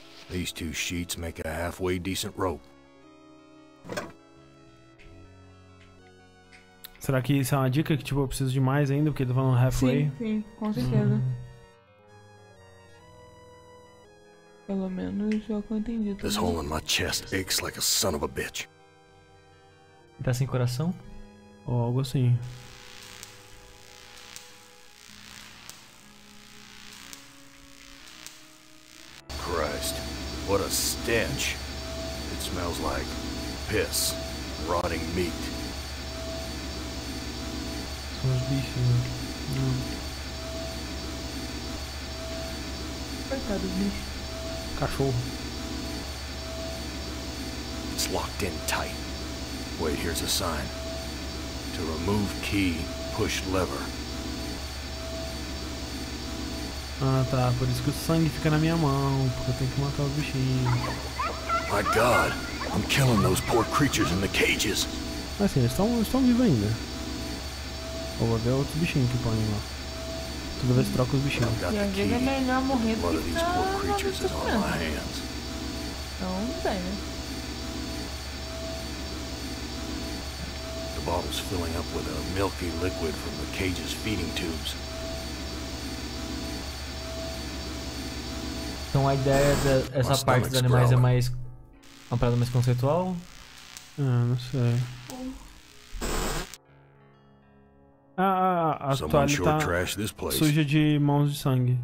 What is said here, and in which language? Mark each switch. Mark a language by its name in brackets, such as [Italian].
[English] These two sheets make a halfway decent rope. [Portuguese] Será que isso é uma dica que tipo eu preciso de mais ainda porque tá falando halfway? Sim, com certeza. Pelo menos é o que eu entendi. Também. [English] This hole in my chest aches like a son of a bitch. [Portuguese] Tá sem coração? Ou algo assim. [English] Christ, what a stench. It smells like piss, rotting meat. [Portuguese] São os bichos, né? Coitado do bicho. Cachorro. [English] It's locked in tight. Wait, here's a sign. To remove key, push lever. [Portuguese] Ah, tá. Por isso que o sangue fica na minha mão. Porque eu tenho que matar os bichinhos. [English] My God, I'm killing those poor creatures in the cages. [Portuguese] Mas sim, eles estão vivos ainda. Eu vou ver outro bichinho que põe lá. Toda vez troca os bichinhos. E às vezes é melhor morrer do que ficar na minha hands. Então, não sei, né? [English] The bottle's filling up with a milky liquid from the cage's feeding tubes. [Portuguese] Então a ideia dessa parte dos animais é mais uma parada mais conceitual? Não sei. A toalha tá suja de mãos de sangue.